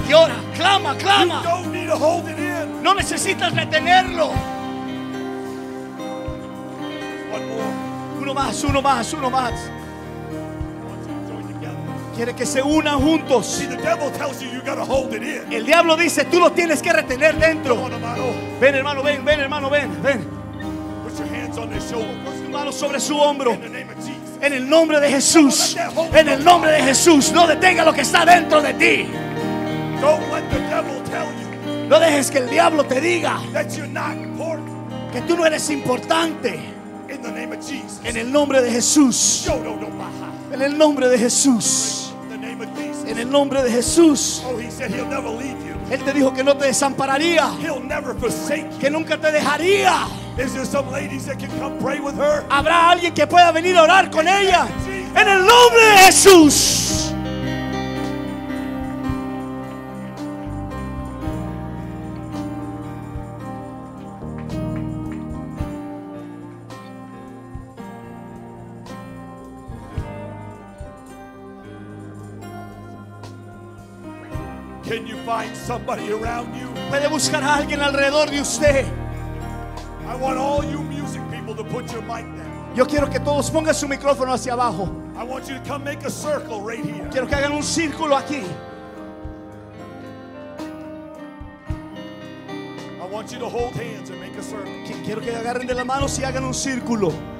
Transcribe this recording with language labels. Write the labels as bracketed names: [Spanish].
[Spanish] Y ahora, clama, clama. [English] You don't need to hold it in. [Spanish] No necesitas retenerlo. [English] One more. [Spanish] Uno más, uno más, uno más. Quiere que se unan juntos. [English] See, the devil tells you, you gotta hold it in. [Spanish] El diablo dice, tú lo tienes que retener dentro. [English] Come on, hermano. [Spanish] Ven, hermano, ven, ven, hermano, ven, ven. [English] Put your hands on their shoulder. Put your hands [Spanish] sobre su hombro. [English] In the name of Jesus. [Spanish] En el nombre de Jesús. En el nombre de Jesús. No detenga lo que está dentro de ti. [English] Don't let the devil tell you. [Spanish] No dejes que el diablo te diga [English] that you're not important. [Spanish] Que tú no eres importante. [English] In the name of Jesus. [Spanish] En el nombre de Jesús. Yo, no, no, en el nombre de Jesús. [English] The name of Jesus. [Spanish] En el nombre de Jesús. [English] Oh, he said he'll never leave you. [Spanish] Él te dijo que no te desampararía. [English] He'll never forsake you. [Spanish] Que nunca te dejaría. [English] Is there some ladies that can come pray with her? [Spanish] ¿Habrá alguien que pueda venir a orar con ella? En el nombre de Jesús. [English] Can you find somebody around you? [Spanish] ¿Puede buscar a alguien alrededor de usted? [English] I want all you music people to put your mic down. [Spanish] Yo quiero que todos pongan su micrófono hacia abajo. [English] I want you to come make a circle right here. [Spanish] Quiero que hagan un círculo aquí. [English] I want you to hold hands and make a circle. [Spanish] Quiero que agarren de la mano y hagan un círculo.